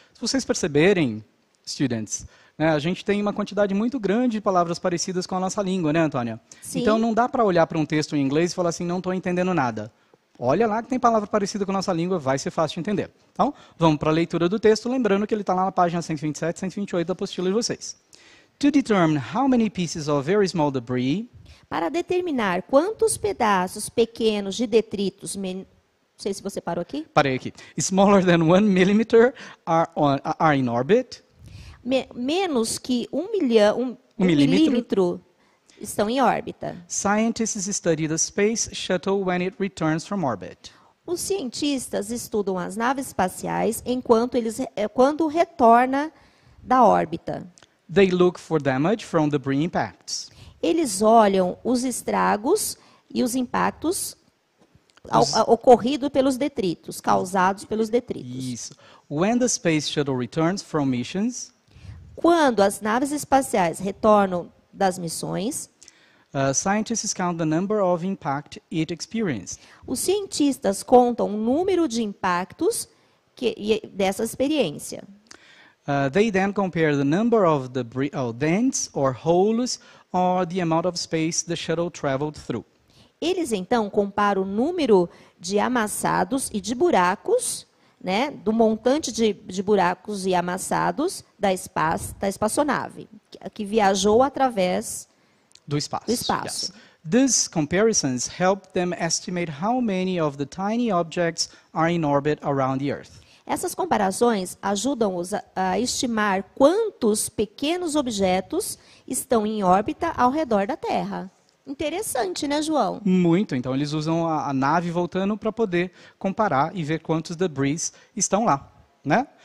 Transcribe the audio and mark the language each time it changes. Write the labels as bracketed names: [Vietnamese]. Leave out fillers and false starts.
[Portuguese] Se vocês perceberem, [English] students, [Portuguese] né, a gente tem uma quantidade muito grande de palavras parecidas com a nossa língua, né, Antônia? Sim. Então, não dá para olhar para um texto em inglês e falar assim, não estou entendendo nada. Olha lá que tem palavra parecida com a nossa língua, vai ser fácil de entender. Então, vamos para a leitura do texto, lembrando que ele está lá na página 127, 128 da apostila de vocês. [English] To determine how many pieces of very small debris... [Portuguese] Para determinar quantos pedaços pequenos de detritos... Não sei se você parou aqui. Parei aqui. [English] Smaller than one millimeter are in orbit. [Portuguese] Menos que um milímetro estão em órbita. [English] Scientists study the space shuttle when it returns from orbit. [Portuguese] Os cientistas estudam as naves espaciais enquanto quando retorna da órbita. [English] They look for damage from debris impacts. [Portuguese] Eles olham os estragos e os impactos ocorridos pelos detritos, causados pelos detritos. Isso. [English] When the space shuttle returns from missions. [Portuguese] Quando as naves espaciais retornam das missões. [English] Scientists count the number of impact it experienced. [Portuguese] Os cientistas contam o número de impactos dessa experiência. [English] They then compare the number of debris, or dents or holes or the amount of space the shuttle traveled through. [Portuguese] Eles então comparam o número de amassados e de buracos, né, do montante de buracos e amassados da espaçonave que viajou através do espaço. Do espaço. [English] Yes. These comparisons help them estimate how many of the tiny objects are in orbit around the Earth. [Portuguese] Essas comparações ajudam-os a estimar quantos pequenos objetos estão em órbita ao redor da Terra. Interessante, né, João? Muito. Então, eles usam a nave voltando para poder comparar e ver quantos debris estão lá, né?